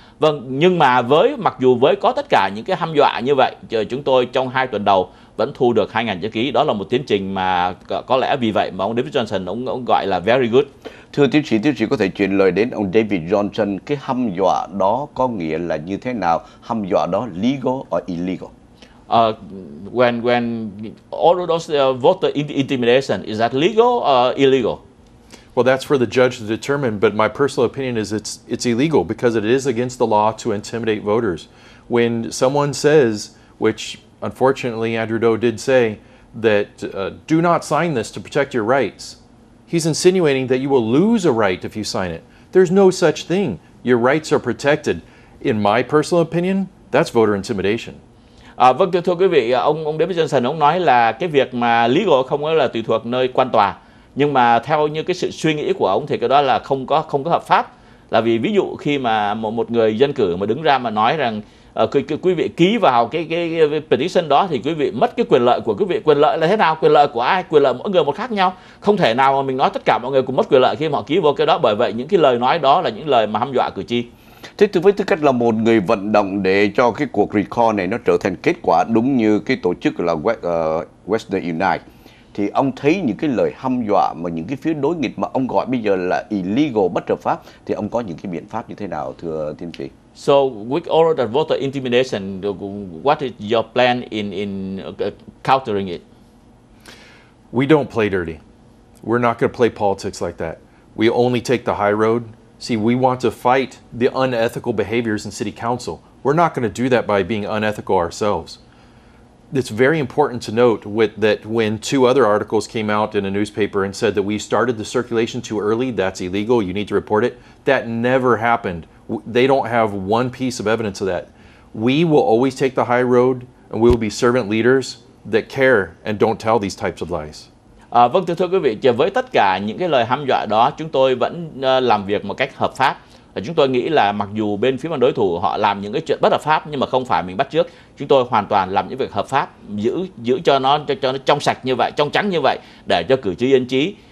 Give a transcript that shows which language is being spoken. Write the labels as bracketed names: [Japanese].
[Vietnamese] Vâng, nhưng mà với mặc dù với có tất cả những cái hăm dọa như vậy, chúng tôi trong 2 tuần đầu vẫn thu được 2.000 chữ ký. Đó là một tiến trình mà có lẽ vì vậy mà ông David Johnson ông gọi là [English] very good. [Vietnamese] Thưa tiến sĩ có thể chuyển lời đến ông David Johnson, cái hăm dọa đó có nghĩa là như thế nào? Hăm dọa đó [English] legal or illegal? When all of those voter intimidation, is that legal or illegal? Well, that's for the judge to determine, but my personal opinion is it's illegal because it is against the law to intimidate voters. When someone says, which unfortunately Andrew Doe did say, that do not sign this to protect your rights, he's insinuating that you will lose a right if you sign it. There's no such thing. Your rights are protected. In my personal opinion, that's voter intimidation. [Vietnamese] Vâng, thưa quý vị, ông David Johnson ông nói là cái việc mà legal không là tùy thuộc nơi quan tòa. Nhưng mà theo như cái sự suy nghĩ của ông thì cái đó là không có hợp pháp. Là vì ví dụ khi mà một người dân cử mà đứng ra mà nói rằng quý vị ký vào cái petition đó thì quý vị mất cái quyền lợi của quý vị. Quyền lợi là thế nào? Quyền lợi của ai? Quyền lợi mỗi người một khác nhau. Không thể nào mà mình nói tất cả mọi người cùng mất quyền lợi khi mà họ ký vào cái đó. Bởi vậy những cái lời nói đó là những lời mà hăm dọa cử tri. Thế thì với tư cách là một người vận động để cho cái cuộc recall này nó trở thành kết quả đúng như cái tổ chức là Western Unite, thì ông thấy những cái lời hăm dọa mà những cái phiếu đối nghịch mà ông gọi bây giờ là illegal, bất hợp pháp, thì ông có những cái biện pháp như thế nào thưa tiến sĩ? [English] So with all the voter intimidation, what is your plan in countering it? We don't play dirty. We're not going to play politics like that. We only take the high road. See, we want to fight the unethical behaviors in city council. We're not going to do that by being unethical ourselves. It's very important to note that when two other articles came out in a newspaper and said that we started the circulation too early, that's illegal, you need to report it, that never happened. They don't have one piece of evidence of that. We will always take the high road, and we will be servant leaders that care and don't tell these types of lies. [Vietnamese] Vâng, thưa quý vị, với tất cả những cái lời hăm dọa đó, chúng tôi vẫn làm việc một cách hợp pháp. Chúng tôi nghĩ là mặc dù bên phía bên đối thủ họ làm những cái chuyện bất hợp pháp, nhưng mà không phải mình bắt chước. Chúng tôi hoàn toàn làm những việc hợp pháp, giữ cho nó trong sạch như vậy, trong trắng như vậy, để cho cử tri yên chí.